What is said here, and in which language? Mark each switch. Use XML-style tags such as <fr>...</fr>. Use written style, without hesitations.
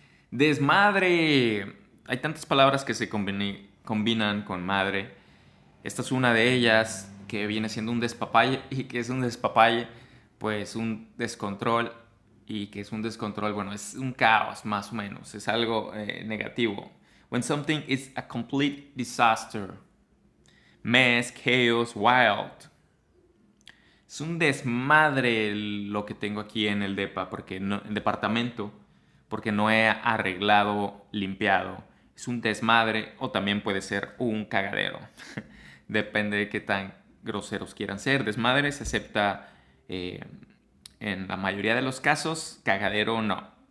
<es>¡Desmadre! Hay tantas palabras que se combinan con madre. Esta es una de ellas, que viene siendo un despapalle, y que es un despapalle, pues un descontrol, y que es un descontrol, bueno, es un caos, más o menos, es algo negativo.</es> <en>When something is a complete disaster, mess, chaos, wild.</en> <es>Es un desmadre lo que tengo aquí en el depa, porque no, en departamento, porque no he arreglado, limpiado. Es un desmadre, o también puede ser un cagadero. Depende de qué tan groseros quieran ser. Desmadre se acepta en la mayoría de los casos, cagadero no.</es>